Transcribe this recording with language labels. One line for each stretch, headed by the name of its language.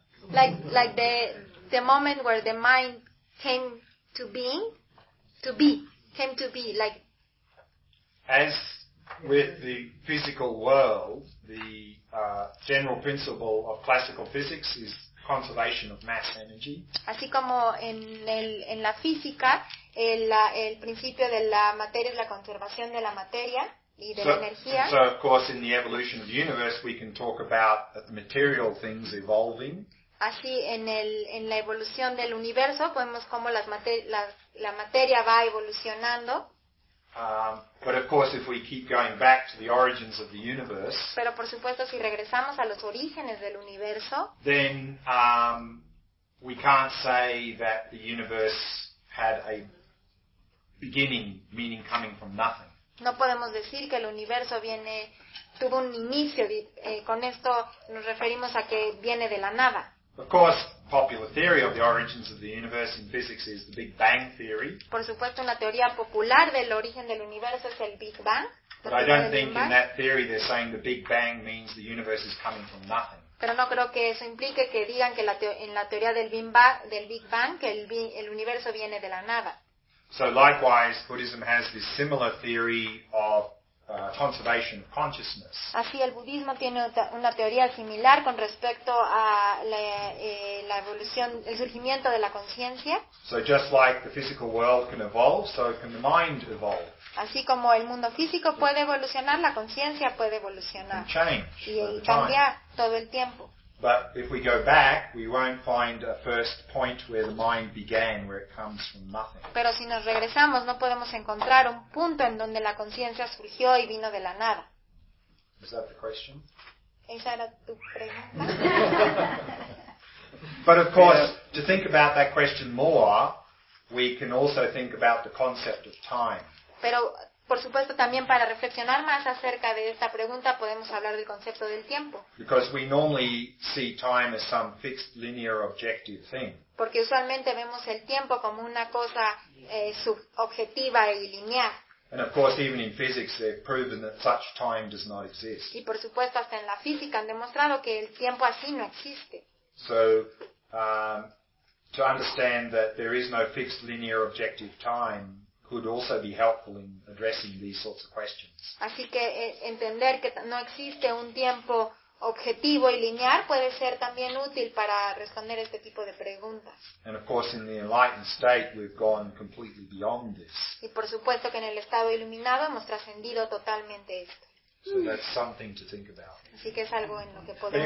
English: Like the moment where the mind came to being, like. As with the physical world, the general principle of classical physics is conservation of mass energy.
Spanish: Así como en la física, el principio de la materia es la conservación de la materia y de la energía.
English: So of course in the evolution of the universe we can talk about the material things evolving.
Spanish: Así en la evolución del universo podemos cómo la materia va evolucionando.
English: But of course if we keep going back to the origins of the universe.
Spanish: Pero por supuesto si regresamos a los orígenes del universo.
English: Then we can't say that the universe had a beginning, meaning coming from nothing.
Spanish: No podemos decir que el universo viene, tuvo un inicio, con esto nos referimos a que viene de la nada.
English: Of course, popular theory of the origins of the universe in physics is the Big Bang theory.
Spanish: Por supuesto, una teoría popular del origen del universo es el Big Bang.
English: But I don't think in that theory they're saying the Big Bang means the universe is coming from nothing.
Spanish: Pero no creo que eso implique que digan que en la teoría del Big Bang que el universo viene de la nada.
English: So likewise, Buddhism has this similar theory of conservation of consciousness.
Spanish: Así el budismo tiene una teoría similar con respecto a la evolución, el surgimiento de la conciencia.
English: So just like the physical world can evolve, so can the mind evolve.
Spanish: Así como el mundo físico puede evolucionar, la conciencia puede evolucionar.
English: And change.
Spanish: Y cambiar todo el tiempo.
English: But if we go back, we won't find a first point where the mind began, where it comes from nothing.
Spanish: Pero si nos regresamos, no podemos encontrar un punto en donde la conciencia surgió y vino de la nada.
English: Is that the question?
Spanish: ¿Esa era tu pregunta?
English: But of course, to think about that question more, we can also think about the concept of time.
Spanish: Pero, por supuesto, también para reflexionar más acerca de esta pregunta podemos hablar del concepto del tiempo.
English: Because we normally see time as some fixed linear objective thing.
Spanish: Porque usualmente vemos el tiempo como una cosa subjetiva y lineal.
English: And of course, even in physics, they've proven that such time does not exist.
Spanish: Y por supuesto, hasta en la física han demostrado que el tiempo así no existe.
English: So, to understand that there is no fixed linear objective time could also be helpful in addressing these sorts of questions.
Spanish: Así que entender que no existe un tiempo objetivo y lineal puede ser también útil para responder este tipo de preguntas.
English: And of course, in the enlightened state, we've gone completely beyond this.
Spanish: Y por supuesto que en el estado iluminado hemos trascendido totalmente esto.
English: So that's something to think about.
Spanish: Así que es algo en lo que podemos